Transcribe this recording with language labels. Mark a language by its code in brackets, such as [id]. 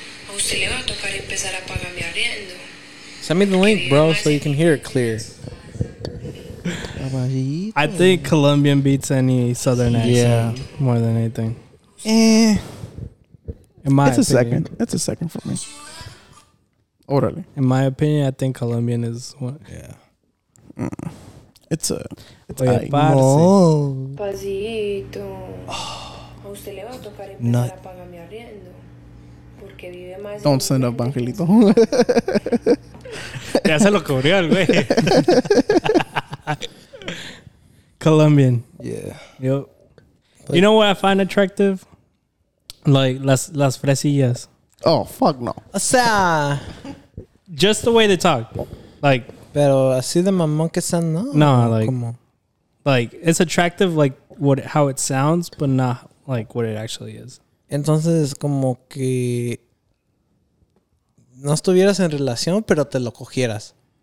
[es] A usted le va a tocar empezar a pagar mi arriendo. [en] Send me the link, bro, so you can hear it clear. [es] Papacito. [en] I think Colombian beats any southern accent. Yeah. More than anything. In my opinion, second. That's a second for me. Orally. In my opinion, I think Colombian is what. Yeah. Mm. It's a. It's [es] oye, a no. Pasito. A usted le va a tocar empezar a pagar mi arriendo. Porque vive más. [en] Don't send up, Angelito. [es] Ya se lo cubrió el güey. [en] Colombian. Yeah. Yo. Like, you know what I find attractive? Like [es] las fresillas. [en] Oh fuck no. [es] O sea, [en] just the way they talk. Like [es] pero así de mamón que son, no. [en] No, like [es] como. [en] Like it's attractive like what how it sounds but not like what it actually is. [es] Entonces como que no estuvieras en relación pero te lo cogieras.